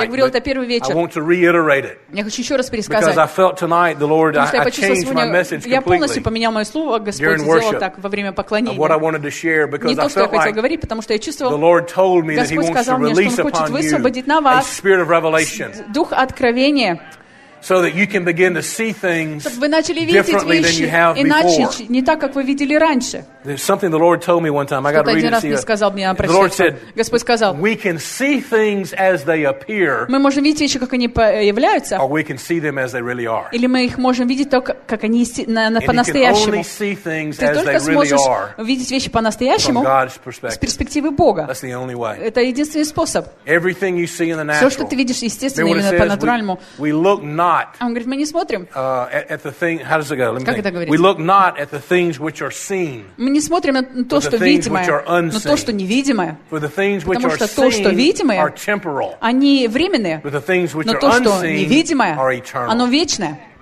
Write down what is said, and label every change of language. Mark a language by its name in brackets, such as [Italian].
[Russian] Я говорил это первый вечер. Я хочу еще раз пересказать. [English] Tonight, Lord, [Russian] потому что я почувствовал сегодня, я полностью поменял мое слово, Господь сделал так во время поклонения. Не то, что я хотел [English] like [Russian] говорить, потому что я чувствовал, Господь сказал мне, что Он хочет высвободить на вас дух откровения. [English] So that you can begin to see things differently [Russian] вещи, [English] than you have [Russian] иначе, [English] before. [Russian] Не так, как вы видели раньше. [English] There's something the Lord told me one time. I got to read it. The Lord said, [Russian] Господь сказал, [English] we can see things as they appear. [Russian] Мы можем видеть вещи, как они появляются. [English] Or we can see them as they really are. [Russian] Или мы их можем видеть только как они по-настоящему. [English] And you can only see things as they really are. [Russian] Видеть вещи по-настоящему. [English] From God's perspective. [Russian] С перспективы Бога. [English] That's the only way. [Russian] Это единственный способ. [English] Everything you see in the natural. [Russian] Все, что ты видишь естественно или по-натуральному. [English] We look not. [Russian] Он говорит, мы не смотрим. [English] At the thing, how does it go? Let me [Russian] как это говорится? [English] We look not at the things which are seen. [Russian] Мы не смотрим на то, что видимое, но то, что невидимое. Потому что то, что видимое, они временные. Но то, что невидимое, оно вечное.